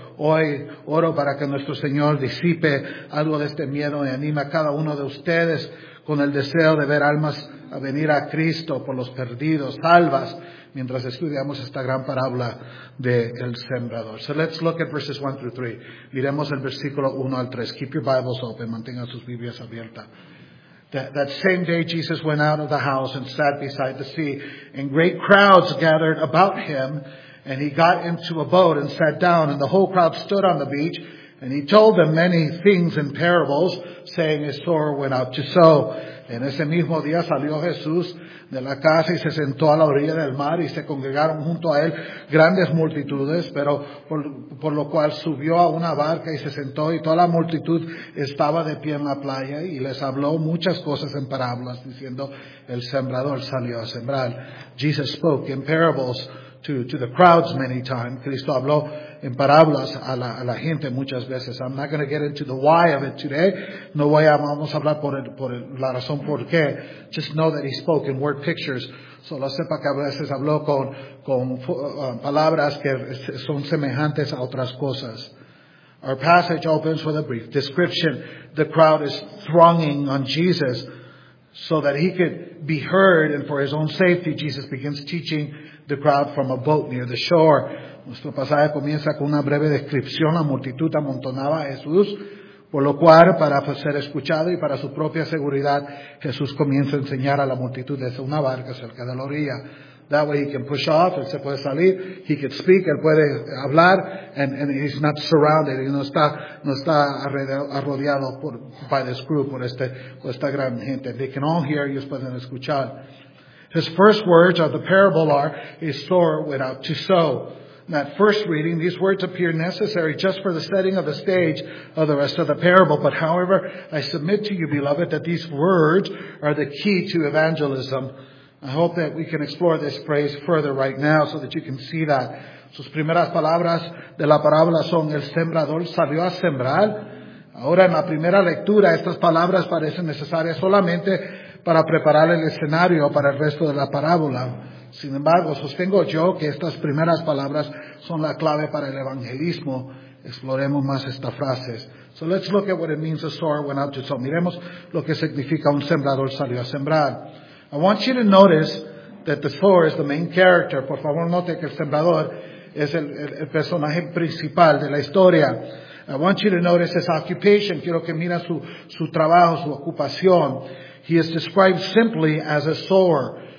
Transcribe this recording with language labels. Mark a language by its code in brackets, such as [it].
[es] Hoy oro para que nuestro Señor disipe algo de este miedo y anime a cada uno de ustedes con el deseo de ver almas a venir a Cristo por los perdidos, salvas, mientras estudiamos esta gran parábola del sembrador. [en] So let's look at verses 1 through 3. [es] Miremos el versículo 1 al 3. [en] Keep your Bibles open. [es] Mantengan sus Biblias abiertas. [en] That same day Jesus went out of the house and sat beside the sea, and great crowds gathered about him, and he got into a boat and sat down, and the whole crowd stood on the beach, and he told them many things in parables, saying, a sower went out to sow. [es] En ese mismo día salió Jesús de la casa y se sentó a la orilla del mar, y se congregaron junto a él grandes multitudes, pero por lo cual subió a una barca y se sentó, y toda la multitud estaba de pie en la playa, y les habló muchas cosas en parábolas, diciendo, el sembrador salió a sembrar. [en] Jesus spoke in parables to the crowds many times. [es] Cristo habló en parábolas a la gente muchas veces. [en] I'm not going to get into the why of it today. [es] Vamos a hablar por el, la razón por qué. [en] Just know that he spoke in word pictures. [es] Solo sepa que a veces habló con palabras que son semejantes a otras cosas. [en] Our passage opens with a brief description. The crowd is thronging on Jesus so that he could be heard, and for his own safety, Jesus begins teaching the crowd from a boat near the shore. [es] Nuestro pasaje comienza con una breve descripción. La multitud amontonaba a Jesús, por lo cual, para ser escuchado y para su propia seguridad, Jesús comienza a enseñar a la multitud desde una barca cerca de la orilla. [en] That way he can push off, [es] él se puede salir, [en] he can speak, [es] él puede hablar, [en] and he's not surrounded, [es] y no está arrodeado [en] by this group, [es] por esta gran gente. [en] They can all hear, [es] ellos pueden escuchar. [en] His first words of the parable are, a sower went out to sow. In that first reading, these words appear necessary just for the setting of the stage of the rest of the parable. But however, I submit to you, beloved, that these words are the key to evangelism. I hope that we can explore this phrase further right now so that you can see that. [es] Sus primeras palabras de la parábola son, el sembrador salió a sembrar. Ahora, en la primera lectura, estas palabras parecen necesarias solamente para preparar el escenario para el resto de la parábola. Sin embargo, sostengo yo que estas primeras palabras son la clave para el evangelismo. Exploremos más estas frases. [en] So let's look at what it means a sower went out to sow. [es] Miremos lo que significa un sembrador salió a sembrar. [en] I want you to notice that the sower is the main character. [es] Por favor, note que el sembrador es el personaje principal de la historia. [en] I want you to notice his occupation. [es] Quiero que mira su trabajo, su ocupación. [en] He is described simply as a sower.